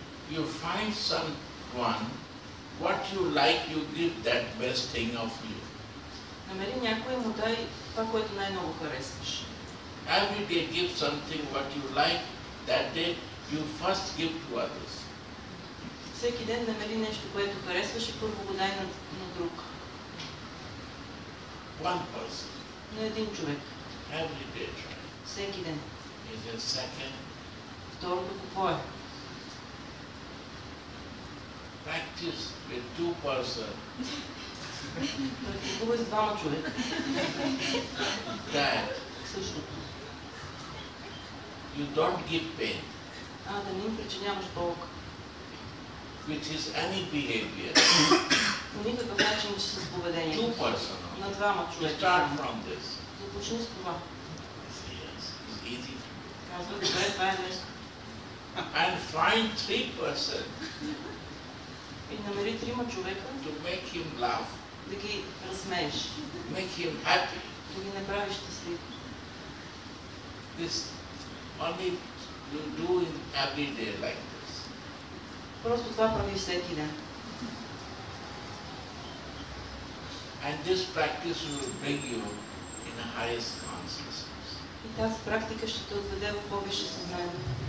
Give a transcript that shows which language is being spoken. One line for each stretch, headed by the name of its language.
English: You find someone, what you like, you give that best thing of you.
Bulgarian: Намери някой и му дай това, което най-много харесваш.
English: Every day give something what you like, that day you first give to others.
Bulgarian: Всеки ден намери нещо, което харесваш и първо го дай на друг.
English: One person.
Bulgarian: На един човек.
English: Every day.
Bulgarian: Всеки ден.
English: Is it second?
Bulgarian: Второто какво е?
English: Practice with two person.
Bulgarian: Практикува с двама човека.
English: That.
Bulgarian: Същото.
English: You don't give pain.
Bulgarian: А, да не им причиняваш болка.
English: Which is any behavior.
Bulgarian: По никакъв начин с поведение.
English: Two person.
Bulgarian: На двама човека.
English: Start from this.
Bulgarian: Започни с това.
English: Yes, it's easy.
Bulgarian: Казва, добре, това е нещо.
English: And find three person.
Bulgarian: И намери трима човека.
English: To make him laugh.
Bulgarian: Да ги разсмееш.
English: Make him happy.
Bulgarian: Да ги направиш щастлив.
English: This only you do in every day like this.
Bulgarian: Просто това прави всеки ден.
English: And this practice will bring you in the highest consciousness.
Bulgarian: И тази практика ще те отведе в по-висше съзнание.